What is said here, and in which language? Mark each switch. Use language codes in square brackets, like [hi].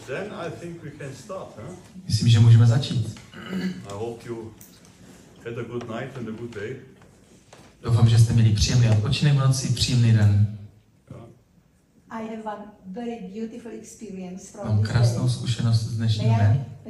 [en] Then I think we can start, huh? [cs] Myslím, že můžeme začít. [en] I hope you had a good night and a good day. [cs] Doufám, že jste měli příjemný odpočinek v noci, příjemný den. [en] I have a very beautiful experience from [cs] mám krásnou zkušenost z dnešního dne.